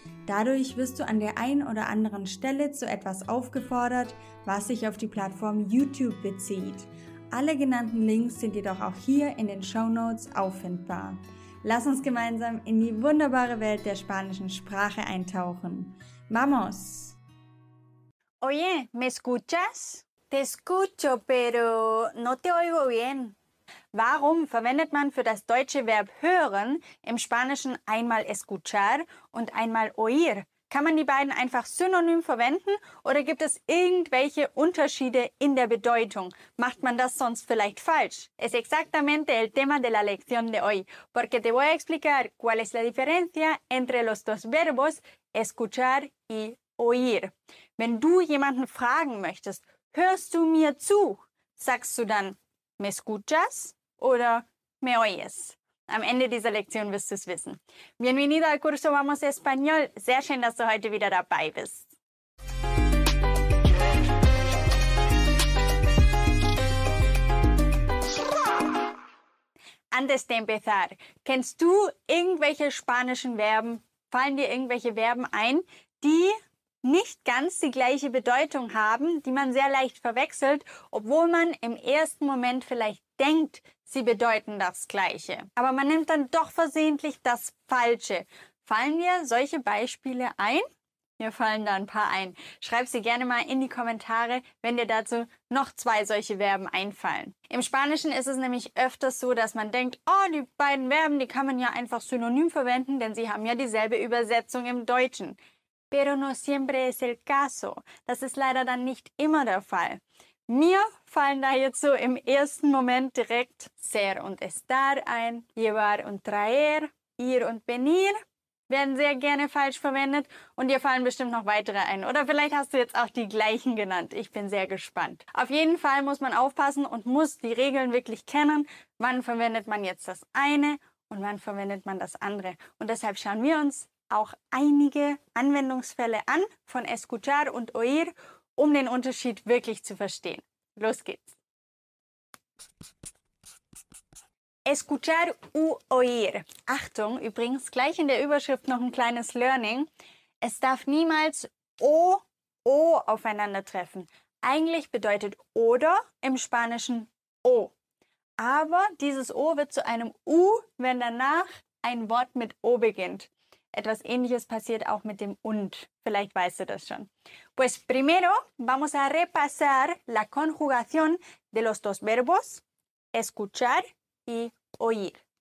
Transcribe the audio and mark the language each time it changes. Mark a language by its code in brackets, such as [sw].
[de] Dadurch wirst du an der einen oder anderen Stelle zu etwas aufgefordert, was sich auf die Plattform YouTube bezieht. Alle genannten Links sind jedoch auch hier in den Shownotes auffindbar. Lass uns gemeinsam in die wunderbare Welt der spanischen Sprache eintauchen. [es] ¡Vamos! Oye, ¿me escuchas? Te escucho, pero no te oigo bien. [de] Warum verwendet man für das deutsche Verb hören im Spanischen einmal escuchar und einmal oír? Kann man die beiden einfach synonym verwenden oder gibt es irgendwelche Unterschiede in der Bedeutung? Macht man das sonst vielleicht falsch? [es] Es exactamente el tema de la lección de hoy, porque te voy a explicar cuál es la diferencia entre los dos verbos escuchar y oír. [de] Wenn du jemanden fragen möchtest, hörst du mir zu? Sagst du dann, [es] me escuchas [de] oder [es] me oyes? [de] Am Ende dieser Lektion wirst du es wissen. [es] Bienvenido al curso Vamos Español. [de] Sehr schön, dass du heute wieder dabei bist. [es] Antes de empezar, [de] kennst du irgendwelche spanischen Verben? Fallen dir irgendwelche Verben ein, die nicht ganz die gleiche Bedeutung haben, die man sehr leicht verwechselt, obwohl man im ersten Moment vielleicht denkt, sie bedeuten das Gleiche. Aber man nimmt dann doch versehentlich das Falsche. Fallen dir solche Beispiele ein? Mir fallen da ein paar ein. Schreib sie gerne mal in die Kommentare, wenn dir dazu noch zwei solche Verben einfallen. Im Spanischen ist es nämlich öfters so, dass man denkt, oh, die beiden Verben, die kann man ja einfach synonym verwenden, denn sie haben ja dieselbe Übersetzung im Deutschen. [es] Pero no siempre es el caso. [de] Das ist leider dann nicht immer der Fall. Mir fallen da jetzt so im ersten Moment direkt ser und estar ein, llevar und traer, ir und venir werden sehr gerne falsch verwendet und dir fallen bestimmt noch weitere ein. Oder vielleicht hast du jetzt auch die gleichen genannt. Ich bin sehr gespannt. Auf jeden Fall muss man aufpassen und muss die Regeln wirklich kennen. Wann verwendet man jetzt das eine und wann verwendet man das andere? Und deshalb schauen wir uns auch einige Anwendungsfälle an von escuchar und oír, um den Unterschied wirklich zu verstehen. Los geht's. [es] Escuchar u oír. [de] Achtung, übrigens gleich in der Überschrift noch ein kleines Learning. Es darf niemals o aufeinandertreffen. Eigentlich bedeutet oder im Spanischen o. Aber dieses o wird zu einem u, wenn danach ein Wort mit o beginnt. Etwas Ähnliches passiert auch mit dem und. Vielleicht weißt du das schon. [es] Pues primero vamos a repasar la conjugación de los dos verbos escuchar y oír.